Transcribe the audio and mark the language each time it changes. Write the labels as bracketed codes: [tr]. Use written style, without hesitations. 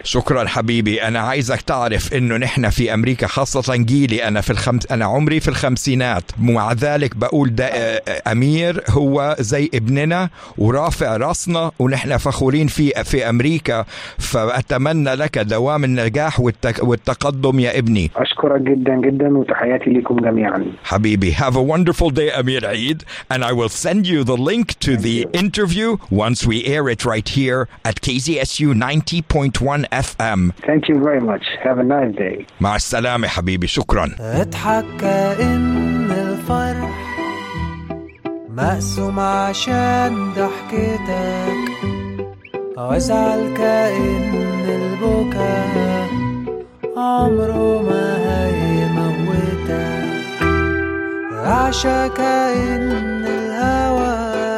[ar] شكرا حبيبي أنا عايزك تعرف أنه نحن في أمريكا خاصة جيلي أنا عمري في الخمسينات مع ذلك بقول ده أمير هو زي ابننا ورافع راسنا ونحن فخورين في أمريكا فأتمنى لك دوام النجاح والتقدم يا ابني أشكرك جدا جدا وتحياتي لكم جميعا حبيبي [en] Have a wonderful day أمير عيد and I will send you the link to Thank the you. interview once we air it right here at KZSU 90.1 FM Thank you very much Have a nice day [ar] مع السلامة حبيبي شكرا اضحك إن الفرح مقسوم عشان ضحكتك وازعل كأن البكا عمره ما هيموتك عشا كأن الهوى